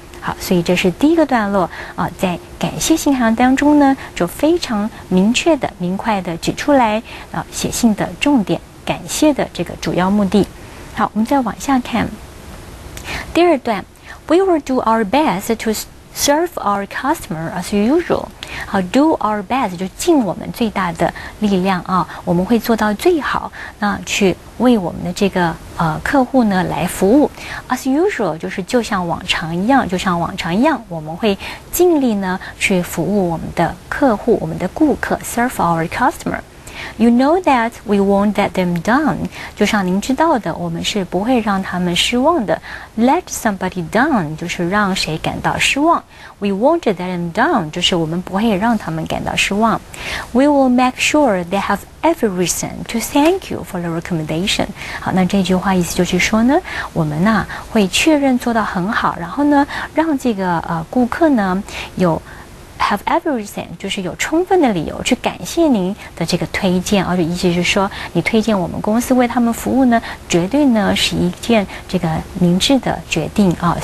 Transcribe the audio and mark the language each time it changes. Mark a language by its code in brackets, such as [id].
[zh] 好，所以这是第一个段落啊，在感谢信函当中呢，就非常明确的、明快的指出来写信的重点，感谢的这个主要目的。好，我们再往下看第二段。 [en] We will do our best to serve our customer as usual. [zh] 好， [en] do our best [zh] 就尽我们最大的力量啊，我们会做到最好，那去为我们的这个客户呢来服务。 As usual 就是就像往常一样，就像往常一样，我们会尽力呢去服务我们的客户，我们的顾客， [en] serve our customer。 You know that we won't let them down. [zh] 就像您知道的，我们是不会让他们失望的。 [en] Let somebody down [zh] 就是让谁感到失望。 [en] We won't let them down [zh] 就是我们不会让他们感到失望。 [en] We will make sure they have every reason to thank you for the recommendation. [zh] 好，那这句话意思就是说呢，我们呢会确认做到很好，然后呢让这个顾客呢有 [en] Have every reason, [zh] 就是有充分的理由去感谢您的这个推荐，而且意思是说，你推荐我们公司为他们服务呢，绝对呢是一件这个明智的决定啊。